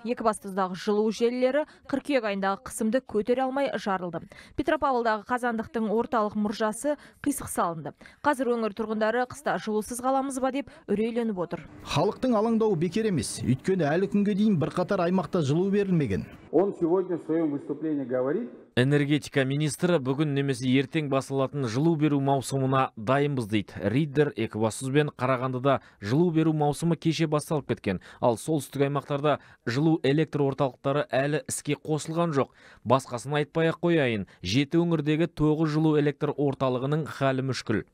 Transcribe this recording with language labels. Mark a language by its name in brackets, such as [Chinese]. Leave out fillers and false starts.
[Kazakh] Екібастұздағы жылу желілері қыркүйек айындағы қысымды көтере алмай жарылды. Петропавлдағы қазандықтың орталық мұржасы қисық салынды. Қазір өңір тұрғындары қыста жылусыз қаламыз ба деп үрейленіп отыр. Халықтың алаңдауы бекер емес. Өйткені әлі күнге дейін бірқатар аймақта жылу берілмеген. [Russian] Он сегодня в своем выступлении говорит. [Kazakh] Энергетика министрі бүгін немесе ертең басылатын жылу беру маусымына дайынбыз дейді. Риддер, Екібастұз бен Қарағандыда жылу беру маусымы кеше басталып кеткен. Ал солтүстік аймақтарда жылу электр орталықтары әлі іске қосылған жоқ. Басқасын айтпай-ақ қояйын. Жеті өңірдегі 9 жылу электр орталығының халі мүшкіл.